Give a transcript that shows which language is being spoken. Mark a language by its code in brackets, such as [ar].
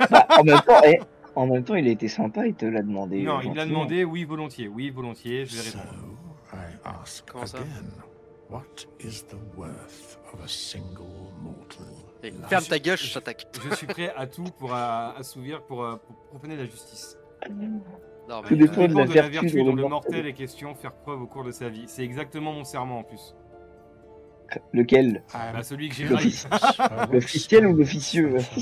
[fr] Bah, en même temps, il a été sympa, il te l'a demandé. Non, il l'a demandé, oui, volontiers, je vais répondre. [en] So, I ask again, what is the worth of a single mortal? [fr] Et ferme ta gueule, je t'attaque. Je suis prêt à tout pour assouvir, pour profaner la justice. Non, mais, tout dépend de la vertu dont le mortel est question, faire preuve au cours de sa vie. C'est exactement mon serment en plus. Lequel? Bah, celui que j'ai le raillé. L'officiel ou l'officieux?